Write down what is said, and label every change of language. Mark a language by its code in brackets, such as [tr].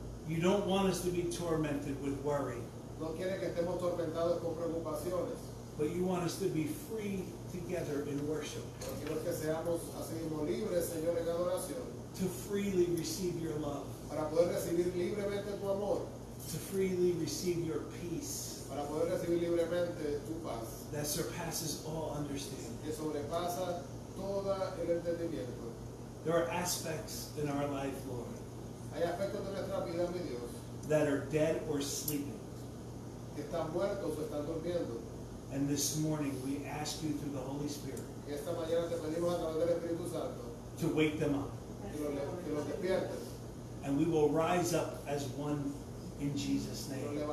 [en] You don't want us to be tormented with worry, [es] no quiere que estemos tormentados con preocupaciones. [en] But you want us to be free together in worship, [es] quiero que seamos así mismo libres, Señor, en adoración. [en] To freely receive your love. [es] Para poder recibir libremente tu amor. [en] To freely receive your peace. [es] Para poder recibir libremente tu paz. [en] That surpasses all understanding. [es] Que sobrepasa toda el entendimiento. [en] There are aspects in our life, Lord. [es] Hay aspectos de nuestra vida, mi Dios. [en] That are dead or sleeping. [es] Que están muertos o están durmiendo. [en] And this morning we ask you through the Holy Spirit. [es] Y esta mañana te pedimos a través del Espíritu Santo. [en] To wake them up. [es] Que los despiertes. [en] and we will rise up as one in Jesus' name.